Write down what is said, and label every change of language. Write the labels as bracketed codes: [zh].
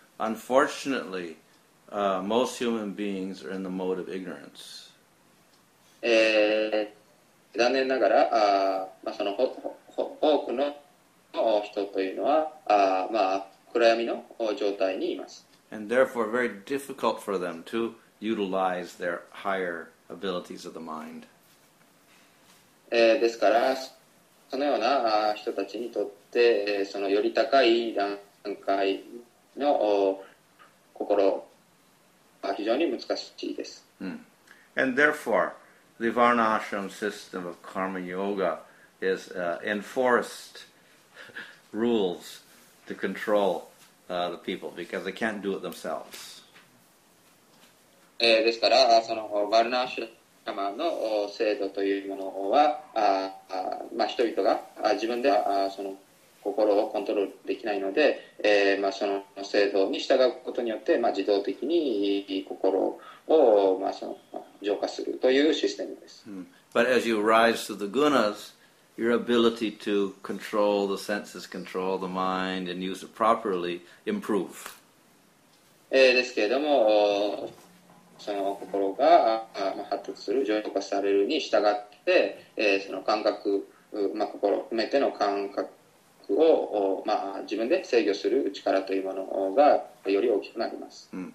[en] Unfortunately,most human beings are in the mode of ignorance. [ja] 残念ながら、まあ、その多くの人というのは、まあ、暗闇の状態にいます。 [en] And therefore, very difficult for them to utilize their higher abilities of the mind. [ja] ですから、そのような人たちにとって、そのより高い段階の心、非常に難しいです。 [en] And therefore, the Varnashram system of Karma Yoga is enforced rules to control the people because they can't do it themselves. [ja] ですから、そのバルナーシュラマの制度というものは、まあ、人々が自分ではその心をコントロールできないので、まあ、その制度に従うことによって、まあ、自動的に心を、まあ、その浄化するというシステムです。 [en] But as you rise to the gunas, your ability to control the senses, control the mind, and use it properly improve. [ja] ですけれども、その心が発達する、浄化されるに従って、その感覚、まあ、心を含めての感覚を、まあ、自分で制御する力というものがより大きくなります。